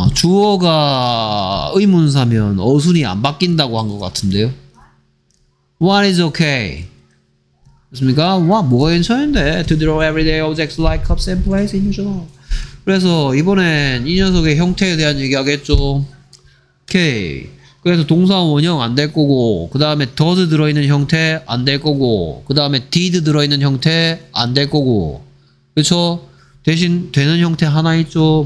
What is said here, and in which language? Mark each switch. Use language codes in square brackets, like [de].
[ko] 주어가 의문사면 어순이 안 바뀐다고 한 것 같은데요. [en] What is okay? [ko] 됐습니까? [en] What? [ko] 뭐가 괜찮은데? [en] To draw everyday objects like cups and plates in your journal. [ko] 그래서 이번엔 이 녀석의 형태에 대한 얘기하겠죠. [en] Okay. [ko] 그래서 동사 원형 안 될 거고, 그 다음에 does 들어있는 형태 안 될 거고, 그 다음에 did 들어있는 형태 안 될 거고, 그쵸? 대신 되는 형태 하나 있죠.